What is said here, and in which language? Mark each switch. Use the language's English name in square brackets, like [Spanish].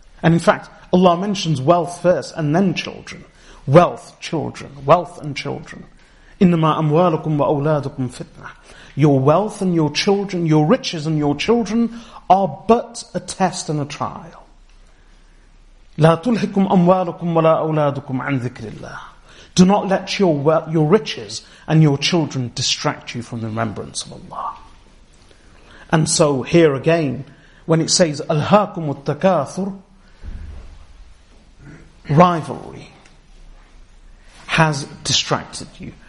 [English] And in fact, Allah mentions wealth first and then children. Wealth, children, wealth and children. [Arabic] إِنَّمَا أَمْوَالُكُمْ وَأَوْلَادُكُمْ فِتْنَةً. [English] Your wealth and your children, your riches and your children are but a test and a trial. [Arabic] لا تلهكم أموالكم ولا أولادكم عن ذكر الله. [English] Do not let your riches and your children distract you from the remembrance of Allah. And so here again, when it says [Arabic] ألهاكم التكاثر, [English] rivalry has distracted you.